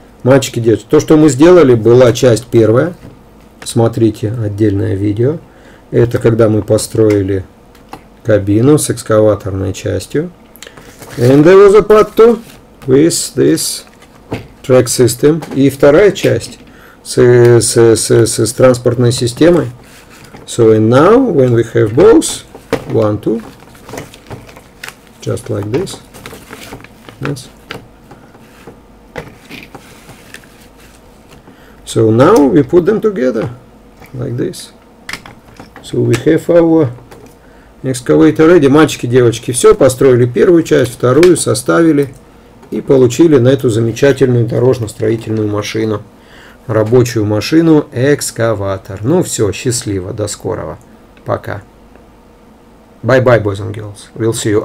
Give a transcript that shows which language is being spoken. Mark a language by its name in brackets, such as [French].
[Russian] Мальчики, девочки, то, что мы сделали, была часть первая. Смотрите отдельное видео. Это когда мы построили кабину с экскаваторной частью. [English] And there was a part two with this track system. [Russian] И вторая часть с транспортной системой. [English] So and now, when we have both, one, two, just like this. Yes. So now we put them together like this. So we have our excavator ready. [Russian] Мальчики, девочки, все, построили первую часть, вторую составили и получили на эту замечательную дорожно-строительную машину. Рабочую машину, экскаватор. Ну все, счастливо, до скорого. [English] Пока. Bye-bye, boys and girls. We'll see you.